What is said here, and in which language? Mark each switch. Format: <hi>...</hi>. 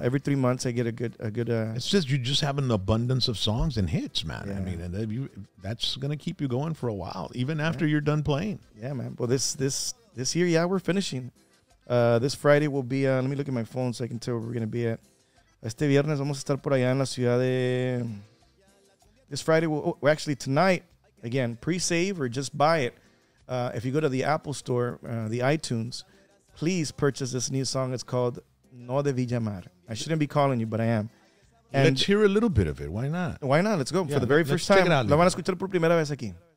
<en>Every 3 months I get a good. It's just you just have an abundance of songs and hits, man. Yeah. I mean, and that's going to keep you going for a while, even after you're done playing. Yeah, man. Well, this year, yeah, we're finishing. This Friday will be. Let me look at my phone so I can tell where we're going to be at.</en> <es>Este viernes vamos a estar por allá en la ciudad de.</es> <en>This Friday, actually tonight, again, pre-save or just buy it. If you go to the Apple Store, the iTunes, please purchase this new song. It's called No Debí Llamar. I shouldn't be calling you, but I am. And let's hear a little bit of it. Why not? Why not? Let's go. Yeah, for the very first time. Check it out.</en> <es>Lo van a escuchar por primera vez aquí.</es>